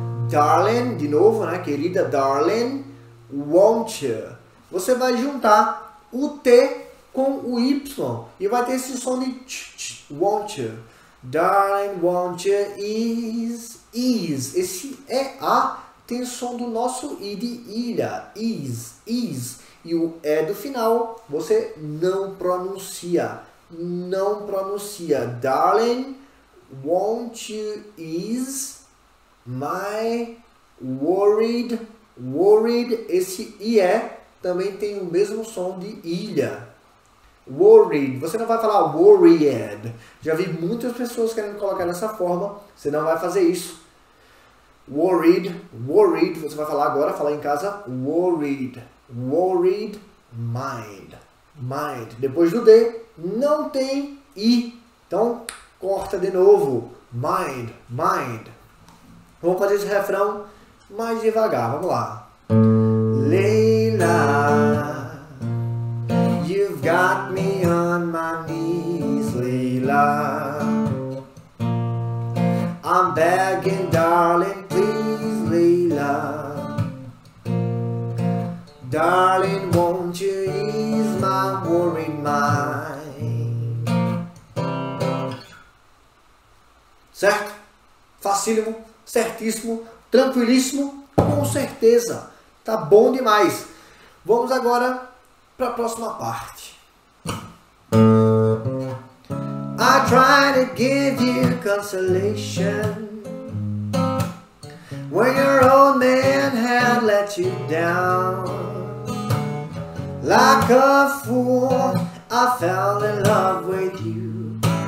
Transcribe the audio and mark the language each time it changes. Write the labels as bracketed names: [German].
[Portuguese] Darling, de novo, né? Querida, darling, [English] won't you? [Portuguese] Você vai juntar o T com o Y e vai ter esse som de tch, tch, won't you? [English] Darling, won't you ease, ease. [Portuguese] Esse E-A tem som do nosso I de ilha, ease, ease. E o E do final você não pronuncia. Não pronuncia. [English] Darling, won't you ease my worried, worried. [Portuguese] Esse IE também tem o mesmo som de ilha. Worried. Você não vai falar worried. Já vi muitas pessoas querendo colocar nessa forma. Você não vai fazer isso. Worried, worried. Você vai falar agora, falar em casa. [English] Worried, worried mind. Mind. [Portuguese] Depois do D, não tem I. Então, corta de novo. [English] Mind, mind. [Portuguese] Vamos fazer esse refrão mais devagar. Vamos lá. [English] Leila, you've got me on my knees, Leila. I'm begging, darling, please, Leila. Darling, won't you ease my worried mind? [Portuguese] Certo? Facílimo, certíssimo, tranquilíssimo, com certeza. Tá bom demais. Vamos agora para a próxima parte. [English] I try to give you consolation when your old man had let you down. Like a fool, I fell in love with you.